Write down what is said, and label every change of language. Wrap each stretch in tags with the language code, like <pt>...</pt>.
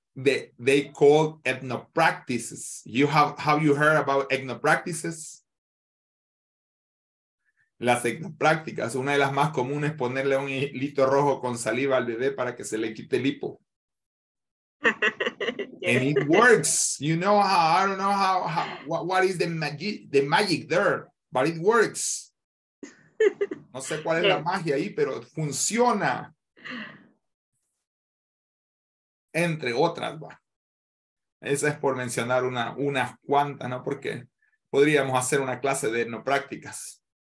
<en>they call ethnopractices. Have you heard about ethnopractices?</en> <es>Las ethnoprácticas, una de las más comunes, ponerle un hilito rojo con saliva al bebé para que se le quite el hipo.</es> <en>Yes. And it works. You know how, I don't know how what is the magic there, but it works.</en> <es>No sé cuál es la magia ahí, pero funciona. Entre otras, va. Esa es por mencionar unas cuantas, ¿no? Porque podríamos hacer una clase de etnoprácticas.</es>